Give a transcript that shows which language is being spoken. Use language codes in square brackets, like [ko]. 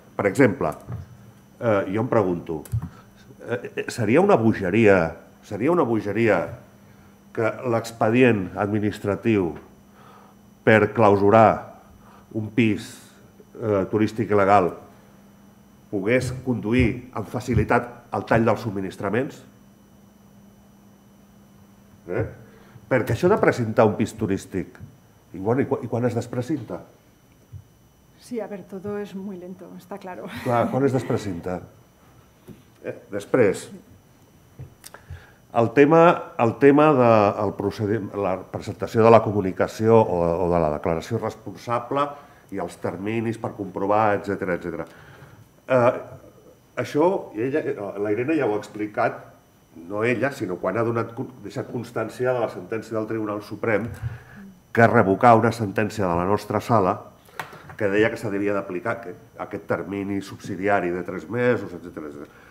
[ca] Per exemple, jo em pregunto, seria una bogeria que l'expedient administratiu per clausurar un pis turístic il·legal pogués conduir amb facilitat al tall dels subministraments? Perquè això de precintar un pis turístic, i, bueno, i quan es desprecinta? [es] Sí, a ver, todo es muy lento, está claro. [ca] Clar, quan es desprecinta? Després, el tema del procediment, la presentació de la comunicació o de la declaració responsable i els terminis per comprovar, etcètera, etcètera. Això, la Irene ja ho ha explicat, no ella, sinó quan ha deixat constància de la sentència del Tribunal Suprem que revocà una sentència de la nostra sala que deia que s'havia d'aplicar aquest termini subsidiari de 3 mesos, etcètera, etcètera.